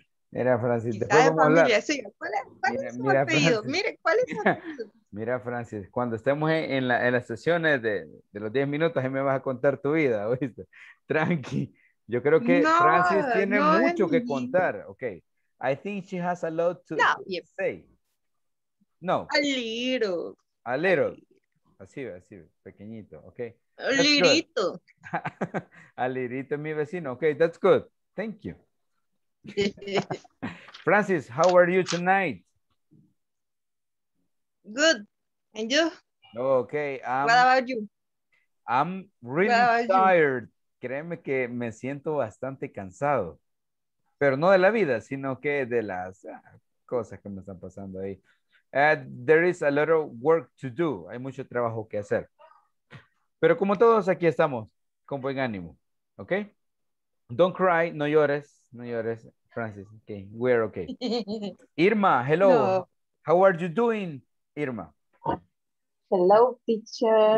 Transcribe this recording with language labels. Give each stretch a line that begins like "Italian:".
Spanish: Mira, Francis, ¿te puedo hablar? Familia, sí. ¿Cuál es su apellido? Mira, Francis, cuando estemos en las sesiones de los 10 minutos, ahí me vas a contar tu vida, ¿oíste? Tranqui. Yo creo que no, Francis tiene mucho que contar.
English: Okay. I think she has a lot to say. No. A little.
Spanish: Así ve. Pequeñito. Okay. Lirito. A lirito es mi vecino.
English: Okay, that's good. Thank you. Francis, how are you tonight? Good. And you? Okay. What about you? I'm really tired. You?
Spanish: Créeme que me siento bastante cansado, pero no de la vida, sino que de las cosas que me están pasando ahí.
English: There is a lot of work to do.
Spanish: Hay mucho trabajo que hacer. Pero como todos aquí estamos, con buen ánimo.
English: ¿Ok? Don't cry,
Spanish: no llores. No llores,
English: Francis. Okay, we're okay. Irma, hello. No. How are you doing, Irma? Hello, teacher.